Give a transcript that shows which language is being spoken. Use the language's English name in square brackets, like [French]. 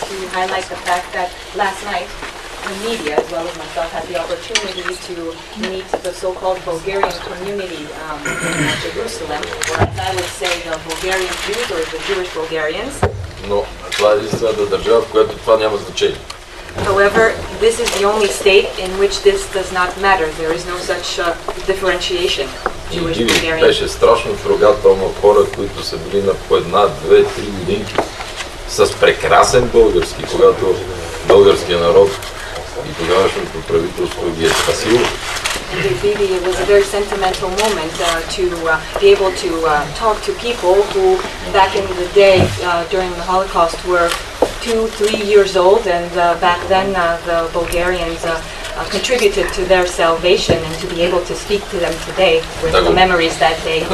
[English] The media, as well as myself, had the opportunity to meet the so-called Bulgarian community in Jerusalem, or as I would say, the Bulgarian Jews or the Jewish Bulgarians. No, that is the country in which this does not matter. However, this is the only state in which this does not matter. There is no such differentiation. [Bulgarian] Беше страшно трогателно хора, които са били на по една, две, три годинки с прекрасен български, когато българския народ и тогавашното правителство ги е спасило. [English] Really, it was a very sentimental moment to be able to talk to people who back in the day during the Holocaust were 2-3 years old, and back then the Bulgarians contributed to their salvation, and to be able to speak to them today with the memories that they